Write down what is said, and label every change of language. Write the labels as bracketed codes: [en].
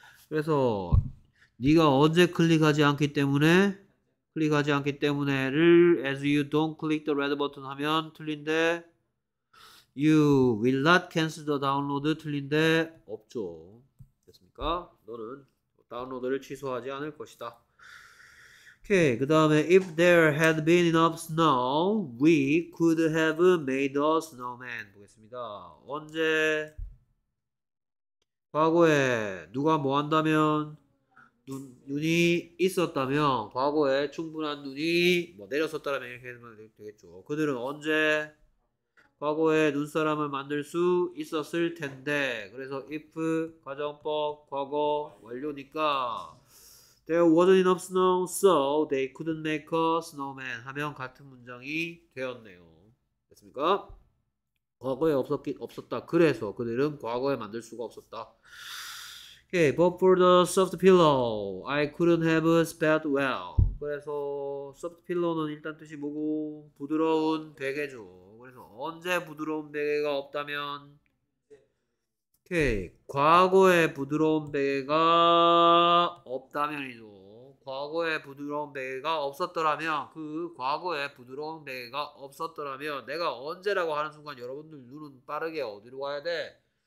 [ko] 그래서 네가 언제 클릭하지 않기 때문에를 [en] as you don't click the red button [ko] 하면 틀린데 [en] You will not cancel the download [ko] 틀린데 없죠. 됐습니까? 너는 다운로드를 취소하지 않을 것이다. 오케이. 그 다음에 [en] If there had been enough snow, we could have made a snowman. [ko] 보겠습니다. 언제 과거에 누가 뭐 한다면 눈이 있었다면 과거에 충분한 눈이 뭐 내렸었다면 이렇게 하면 되겠죠. 그들은 언제 과거에 눈사람을 만들 수 있었을 텐데. [en] 그래서 if [ko] 가정법 과거 완료니까 [en] There wasn't enough snow so they couldn't make a snowman [ko] 하면 같은 문장이 되었네요. 됐습니까? 과거에 없었다. 그래서 그들은 과거에 만들 수가 없었다. [en] Okay, but for the soft pillow, I couldn't have spelled well. [ko] 그래서 [en] soft pillow [ko] 는 일단 뜻이 뭐고? 부드러운 베개죠. 그래서 언제 부드러운 베개가 없다면 오케이. 과거에 부드러운 베개가 없다면이죠. 과거에 부드러운 베개가 없었더라면 그 과거에 부드러운 베개가 없었더라면 내가 언제라고 하는 순간 여러분들 눈은 빠르게 어디로 가야 돼?